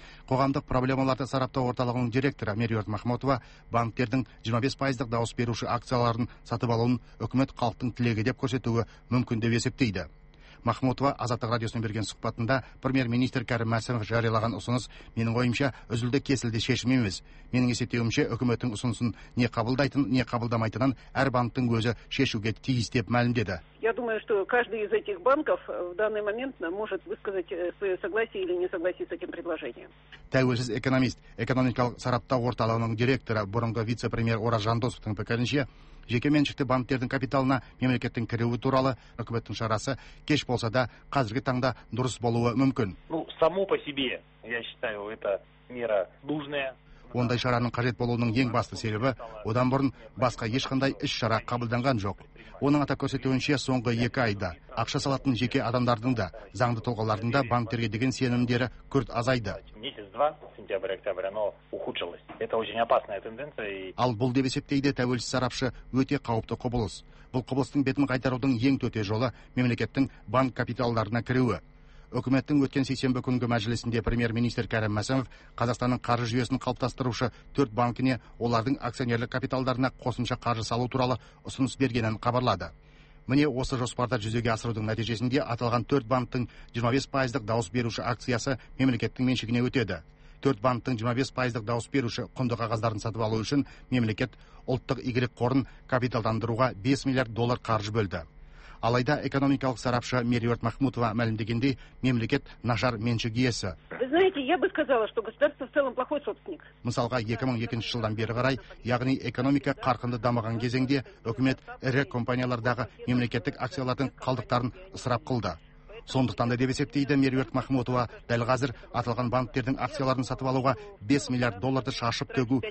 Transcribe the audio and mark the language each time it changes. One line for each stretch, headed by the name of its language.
Kazakh: Қоғамдық проблемаларды сараптау орталығының директоры Меруерт Махмотова банктердің 25%-дық дауыс беруші акцияларын сатып алуын үкімет халықтың тілегі деп көрсетуі мүмкін деп есептейді. Махмотова Азаттық радиосына берген сұхбатында премьер-министр Кәрім Мәсімов жариялаған ұсыныс менің ойымша үзілді кесілді шешім емес. Менің есептеуімше үкіметтің ұсынысын не қабылдайтын, не қабылдамайтынын әр банктің өзі шешуге тиіс деп мәлімдеді.
Russian: Я думаю, что каждый из этих банков в данный момент может высказать свое согласие или не согласие с этим предложением.
Kazakh: Тәуелсіз экономист, экономикалық сараптау орталығының директоры, бұрынғы вице-премьер Ораз Жандосовтың пікірінше, жекеменшікті банктердің капиталына мемлекеттің кіруі туралы үкіметтің шарасы кеш болса да, қазіргі таңда дұрыс болуы мүмкін.
Russian: Ну, само по себе, я считаю, это мера нужная.
Kazakh: Ондай шараның қажет болуының ең басты себебі, одан бұрын басқа ешқандай іс-шара қабылданған жоқ. Оның атап көрсетуінше соңғы 2 айда ақша салатын жеке адамдардың да, заңды тұлғалардың да банктерге деген сенімдері күрт азайды. Ал бұл деп есептейді тәуелсіз сарапшы, өте қауіпті құбылыс. Бұл құбылыстың бетін қайтарудың ең төте жолы мемлекеттің банк капиталдарына кіруі. Үкіметтің өткен сейсенбі күнгі мәжілісінде премьер-министр Кәрім Мәсімов Қазақстанның қаржы жүйесін қалыптастырушы 4 банкіне олардың акционерлік капиталдарына қосымша қаржы салу туралы ұсыныс бергенін хабарлады. Міне осы жоспарды жүзеге асырудың нәтижесінде аталған 4 банктің 25%-дық дауыс беруші акциясы мемлекеттің меншігіне өтеді. 4 банктің 25%-дық дауыс беруші құнды қағаздарын сатып алу үшін мемлекет ұлттық игілік қорын капиталдандыруға 5 миллиард доллар қаржы бөлді. Алайда экономикалық сарапшы Меруерт Махмутова мәлімдегендей, мемлекет нашар меншік иесі.
Russian: Я бы сказала, что государство в целом плохой собственник.
Kazakh: Мысалға 2002 жылдан бері қарай, яғни экономика қарқынды дамыған кезеңде, үкімет ірі компаниялардағы мемлекеттік акциялардың қалдықтарын ысырап қылды. Сондықтан да деп есептейді Меруерт Махмутова, дәл қазір аталған банктердің акцияларын сатып алуға 5 миллиард долларды шашып төгу